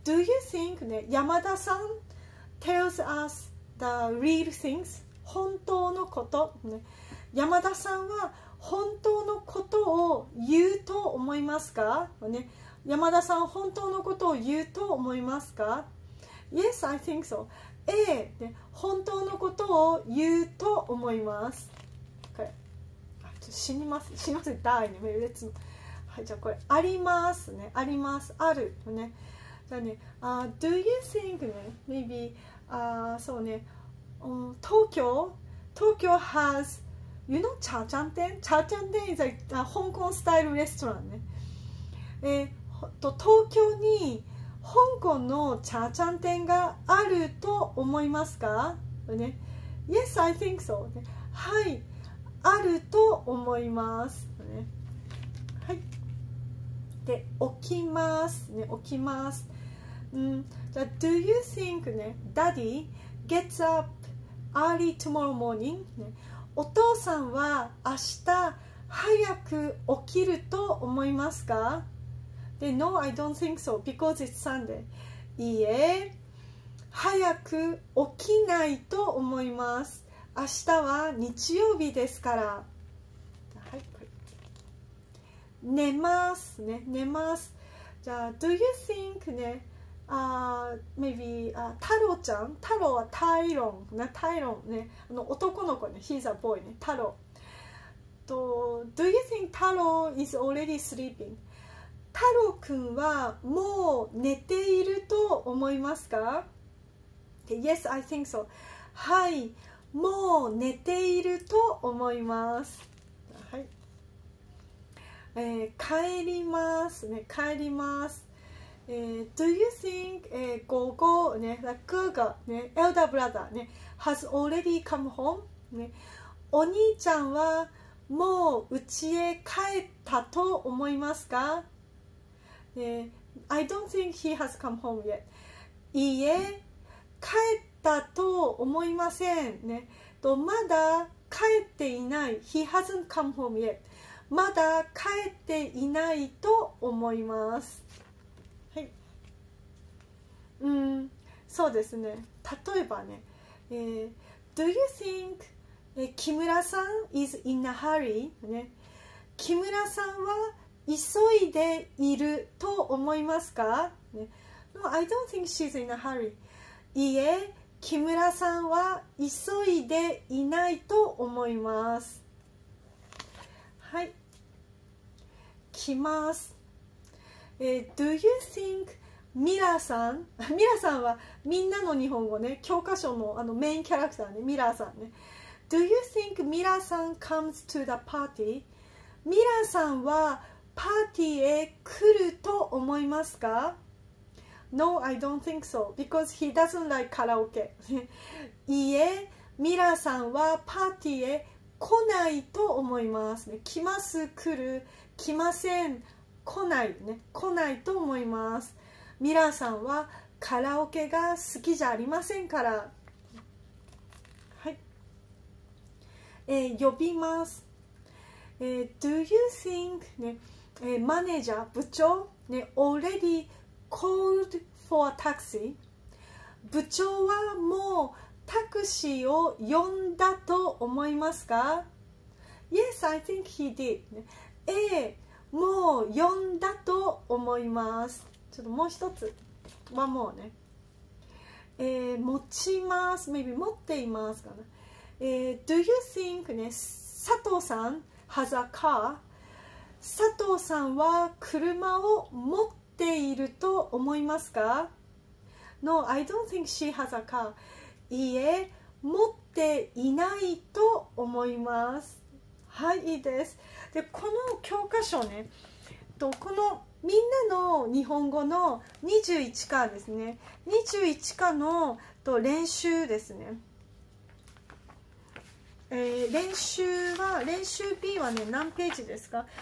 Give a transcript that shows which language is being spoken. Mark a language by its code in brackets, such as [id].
[en] Do you think ね、山田さん tells us the real things? [ja] 本当のこと、ね。山田さんは本当のことを言うと思いますか？ね、山田さん本当のことを言うと思いますか？ [en] Yes, I think so. [ja] A、ね、本当のことを言うと思います。これちょっと死にます、死にません、ダイに別に、はい、じゃあこれありますね、あります、あるね。 [en] じゃあね、Do you think ね、maybe、そうね、東京 has、 you know、 チャーチャン店、チャーチャン店 is a、 [ja] 香港スタイルレストランね。東京に香港のチャーチャン店があると思いますか？ね、 [en] Yes, I think so. [ja] はい、あると思います。ね、はい。で、置きます。ね、置きます。うん。 [en] じゃ、Do you think ね、Daddy gets up early tomorrow morning? [ja] ね、お父さんは明日早く起きると思いますか？ [en] で、No, I don't think so, because it's Sunday. [ja] いいえ、早く起きないと思います。明日は日曜日ですから。はい、これ。寝ます、ね、寝ます。じゃあ、 [en] Do you think [ja] ね、maybe, 太郎ちゃん、太郎はタイロン、な、タイロンね、あの男の子ね、 [en] he's a boy [ja] ね、太郎。 [en] Do you think 太郎 is already sleeping? [ja] 太郎くんはもう寝ていると思いますか？ [en] Yes, I think so. [ja] はい、もう寝ていると思います。はい、帰りますね、帰ります。 [en] Do you think ゴーゴーね、クーガーね、エルダーブラザーね、has already come home? [ja] ね、お兄ちゃんはもう家へ帰ったと思いますか？ [en] I don't think he has come home yet. [ja] いいえ、帰ったと思いません、ね、とまだ帰っていない、 [en] He hasn't come home yet. [ja] まだ帰っていないと思います、はい、うん、そうですね。 [en] 例えばね、Do you think 木村さん is in a hurry?、ね、 [ja] 木村さんは急いでいると思いますか、 [en] ね、No, I don't think she's in a hurry. [ja] いいえ、木村さんは急いでいないと思います。はい。来ます。 [en] Do you think [ja] ミラーさん、ミラーさんはみんなの日本語ね、教科書のあのメインキャラクターね、ミラーさんね。 [en] Do you think ミラーさん comes to the party? [ja] ミラーさんはパーティーへ来ると思いますか？ [en] No, I don't think so. Because he doesn't like karaoke. [ja] いいえ、ミラーさんはパーティーへ来ないと思います。ね、来ます、来る、来ません、来ない、ね、来ないと思います。ミラーさんはカラオケが好きじゃありませんから。はい。呼びます。 [en] Do you think ね、マネージャー、部長、ね、already called for a taxi? [ja] 部長はもうタクシーを呼んだと思いますか？ [en] Yes, I think he did. [ja] A、もう呼んだと思います。ちょっともう一つ、まあ、もうね。持ちます。 [en] Maybe [ja] 持っていますかな。 [en] Do you think ね、佐藤さん has a car? [ja] 佐藤さんは車を持っていると思いますか？ [en] No, I don't think she has a car. [ja] いいえ、持っていないと思います。はい、いいです。で、この教科書ね、このみんなの日本語の21課ですね。 21課の練習ですね。練習は練習 B はね何ページですか？